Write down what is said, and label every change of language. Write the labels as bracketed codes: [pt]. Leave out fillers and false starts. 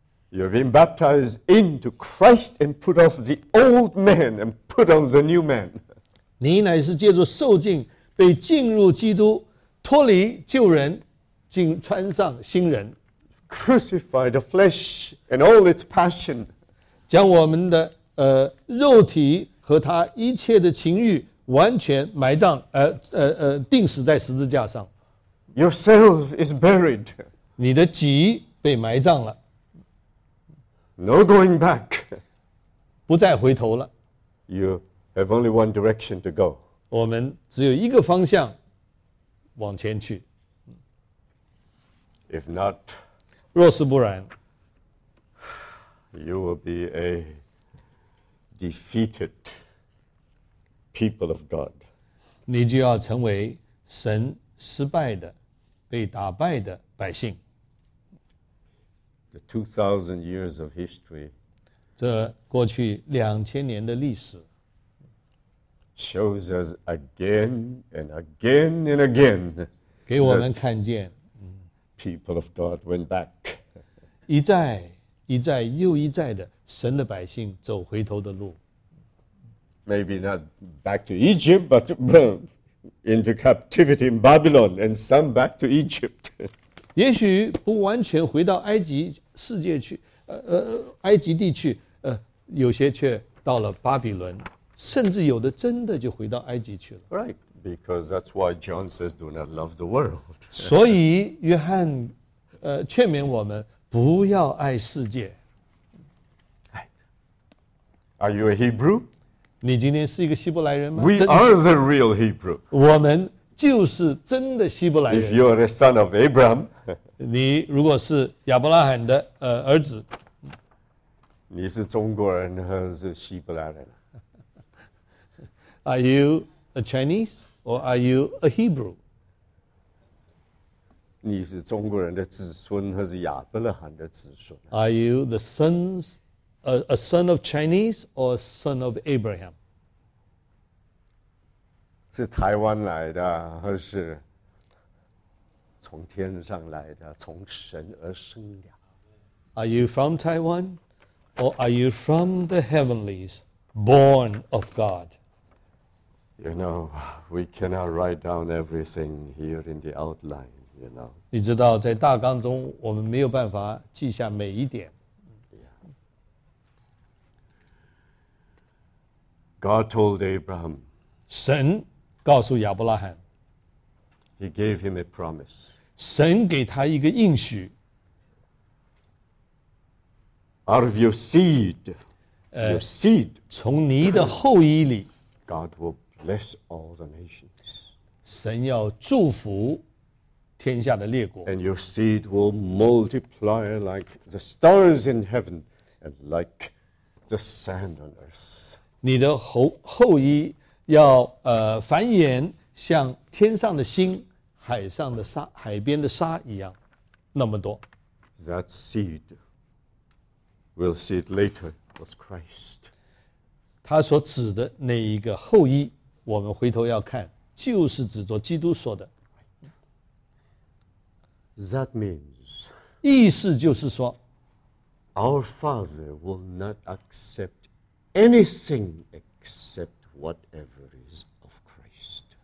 [en] You're being baptized into Christ and put off the old man and put on the new man. [zh] 你乃是借着受浸被浸入基督，脱离旧人，竟穿上新人。 [en] Crucify the flesh and all its passion. [zh] 将我们的肉体和他一切的情欲完全埋葬，钉死在十字架上。 [en] Yourself is buried. [zh] 你的己被埋葬了。 [en] No going back. [zh] 不再回头了。 [en] You have only one direction to go. [zh] 我们只有一个方向往前去。 [en] If not, [zh] 若是不然， [en] you will be a defeated people of God. [zh] 你就要成为神失败的、被打败的百姓。 [en] The 2,000 years of history. [zh] 这过去2000年的历史。 [en] Shows us again and again and again. [zh] 给我们看见。 [en] People of God went back. [zh] 一再、一再又一再的，神的百姓走回头的路。 [en] Maybe not back to Egypt, but into captivity in Babylon, and some back to Egypt. [zh] 也许不完全回到埃及世界去，埃及地区，有些却到了巴比伦，甚至有的真的就回到埃及去了。 [en] Right, because that's why John says, "Do not love the world." [zh] 所以约翰，劝勉我们不要爱世界。 [en] Are you a Hebrew? [zh] 你今天是一个希伯来人吗 [en] ？We are the real Hebrew. [zh] 我们就是真的希伯来人。 [en] If you are a son of Abraham, [zh] 你如果是亚伯拉罕的儿子，你是中国人还是希伯来人 [en] ？Are you a Chinese or are you a Hebrew? [zh] 你是中国人的子孙还是亚伯拉罕的子孙 [en] ？Are you the sons? A son of Chinese or a son of Abraham? [zh] 是台湾来的，还是从天上来的，从神而生的 [en] ？Are you from Taiwan, or are you from the heavenlies, born of God? You know, we cannot write down everything here in the outline. You know, [zh] 你知道，在大纲中，我们没有办法记下每一点。 [en] God told Abraham. [zh] 神告诉亚伯拉罕。 [en] He gave him a promise. [zh] 神给他一个应许。 [en] Out of your seed, your seed, [zh] 从你的后裔里 [en] ，God will bless all the nations. [zh] 神要祝福天下的列国。 [en] And your seed will multiply like the stars in heaven and like the sand on earth. [zh] 你的后裔要繁衍像天上的星、海上的沙、海边的沙一样，那么多。 [en] That seed, we'll see it later, was Christ. [zh] 他所指的那一个后裔，我们回头要看，就是指着基督说的。 [en] That means, [zh] 意思就是说 [en] ，Our Father will not accept. Anything except whatever is of Christ.